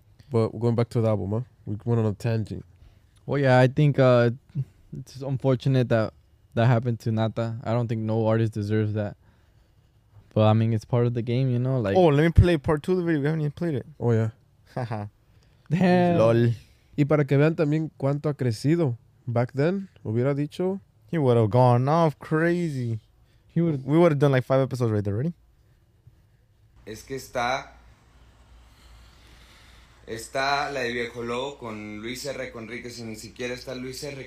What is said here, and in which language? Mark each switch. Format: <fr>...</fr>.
<en>But going back to the album, huh? We went on a tangent. Well, yeah, I think it's unfortunate that happened to Nata. I don't think no artist deserves that. But, I mean, it's part of the game, you know? Like, oh, let me play part two of the video. We haven't even played it. Oh, yeah. Damn. Lol.</en> <es>Y para que vean también cuánto ha crecido.</es> <en>Back then,</en> <es>hubiera dicho,</es> <en>he would have gone off crazy. We would have done like 5 episodes right there. Ready?</en> <es>Es que está Está la de Viejo Lobo con Luis R. Conríquez y ni siquiera está Luis R.</es>